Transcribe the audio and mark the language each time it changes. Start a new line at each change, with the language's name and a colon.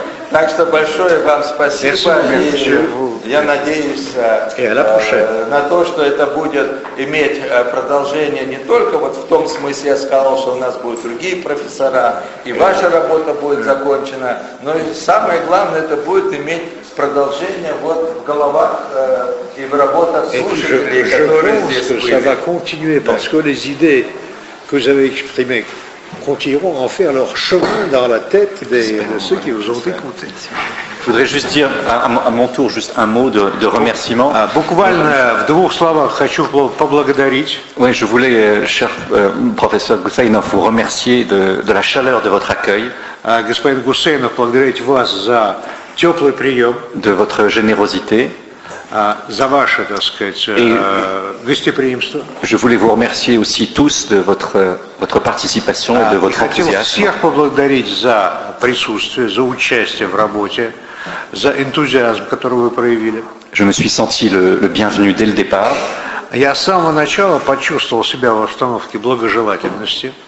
Russian: Так что большое вам спасибо. Я надеюсь на то, что это будет иметь продолжение не только вот в том смысле, я сказал, что у нас будут другие профессора, и ваша работа будет закончена, но и самое главное, это будет иметь продолжение вот в головах и в работах слушателей, которые здесь были.
French: Ça va continuer, parce que les idées que vous avez exprimées continueront à faire leur chemin dans la tête de ceux qui vous ont écouté. Je voudrais juste dire à mon tour juste un mot de remerciement.
Russian: Буквально в двух словах хочу поблагодарить.
French: Oui, je voulais, cher professeur Гусейнов, vous remercier de la chaleur de votre accueil.
Russian: Господин Гусейнов, благодарить вас за теплый прием.
French: De votre générosité.
Russian: За ваше, так сказать, гостеприимство.
French: Je voulais vous remercier aussi tous de votre participation et de votre enthousiasme.
Russian: Хотел всех поблагодарить за присутствие, за участие в работе, за энтузиазм, который вы проявили.
French: Je me suis senti le bienvenu dès le départ.
Russian: Я с самого начала почувствовал себя в обстановке благожелательности.